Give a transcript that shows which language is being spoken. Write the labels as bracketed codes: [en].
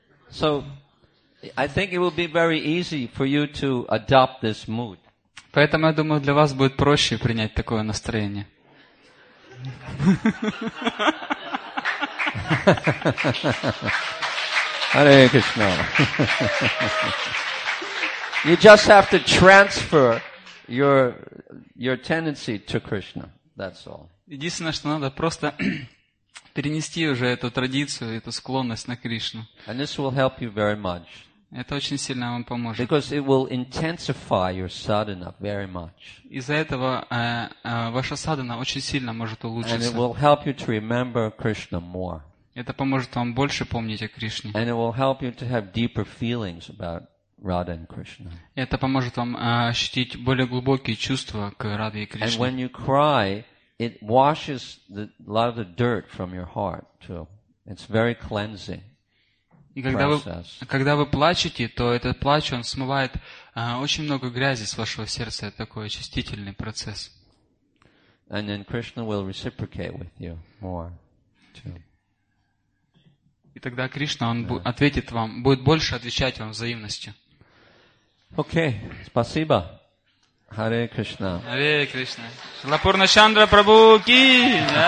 [en] So, I think it will be very easy for you to adopt this mood. [ru] Поэтому я думаю, для вас будет проще принять такое настроение. [sa] Hare Krishna. [en] You just have to transfer your tendency to Krishna. That's all. [ru] Единственное, что надо просто перенести уже эту традицию, эту склонность на Кришну. [en] And this will help you very much. [ru] Это очень сильно вам поможет. [en] Because it will intensify your sadhana very much. [ru] Из-за этого ваша садхана очень сильно может улучшиться. [en] And it will help you to remember Krishna more. [ru] Это поможет вам больше помнить о Кришне. [en] And it will help you to have deeper feelings about Radha and Krishna. [ru] Это поможет вам ощутить более глубокие чувства к Раде и Кришне. [en] And when you cry, it washes a lot of the dirt from your heart too. It's very cleansing. [ru] И когда вы плачете, то этот плач, он смывает очень много грязи с вашего сердца. Это такой очистительный процесс. [en] And then Krishna will reciprocate with you more too. [ru] И тогда Кришна, он ответит вам, будет больше отвечать вам взаимностью. Окей, спасибо. Харе Кришна. Харе Кришна. Шрила Пурначандра Прабху ки.